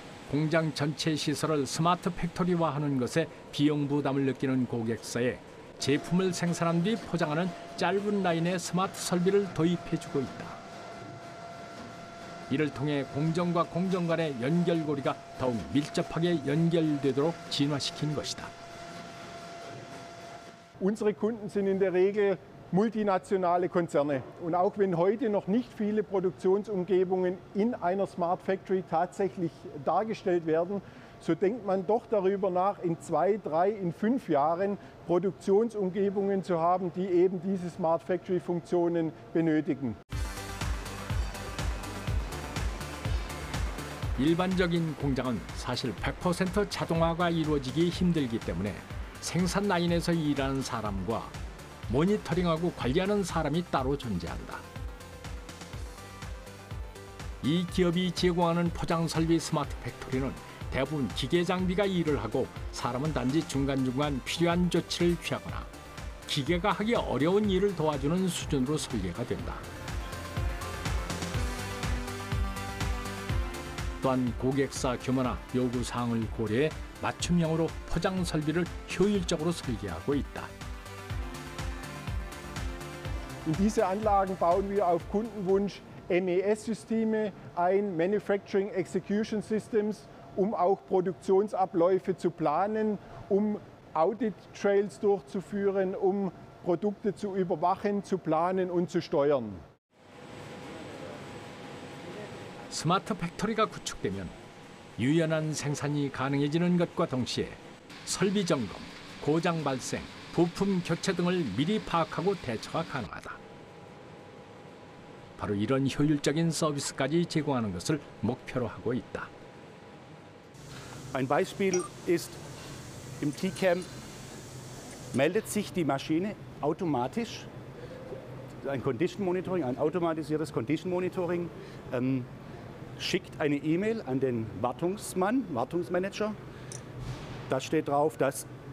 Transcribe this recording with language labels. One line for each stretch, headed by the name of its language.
Korean: 공장 전체 시설을 스마트 팩토리화하는 것에 비용 부담을 느끼는 고객사에 제품을 생산한 뒤 포장하는 짧은 라인의 스마트 설비를 도입해주고 있다. 이를 통해 공정과 공정 간의 연결고리가 더욱 밀접하게 연결되도록 진화시킨 것이다.
German: Unsere Kunden sind in der Regel multinationale Konzerne. Und auch wenn heute noch nicht viele Produktionsumgebungen in einer Smart Factory tatsächlich dargestellt werden, so denkt man doch darüber nach, in 2, 3, in 5 Jahren Produktionsumgebungen zu haben, die eben diese Smart Factory-Funktionen benötigen.
Korean: 일반적인 공장은 사실 100% 자동화가 이루어지기 힘들기 때문에 생산 라인에서 일하는 사람과 모니터링하고 관리하는 사람이 따로 존재한다. 이 기업이 제공하는 포장 설비 스마트 팩토리는 대부분 기계 장비가 일을 하고 사람은 단지 중간중간 필요한 조치를 취하거나 기계가 하기 어려운 일을 도와주는 수준으로 설계가 된다. 또한 고객사 규모나 요구사항을 고려해 맞춤형으로 포장 설비를 효율적으로 설계하고 있다.
German: In diese Anlagen bauen wir auf Kundenwunsch MES-Systeme ein, Manufacturing Execution Systems, um auch Produktionsabläufe zu planen, um Audit Trails durchzuführen, um Produkte zu überwachen, zu planen und zu steuern.
Korean: 스마트 팩토리가 구축되면 유연한 생산이 가능해지는 것과 동시에 설비 점검, 고장 발생, 부품 교체 등을 미리 파악하고 대처가 가능하다. 바로 이런 효율적인 서비스까지 제공하는 것을 목표로 하고 있다.
German: Ein Beispiel ist, im T-CAM meldet sich die Maschine automatisch, ein Condition Monitoring, ein automatisiertes Condition Monitoring, schickt eine E-Mail an den Wartungsmann, Wartungsmanager. Da steht drauf, dass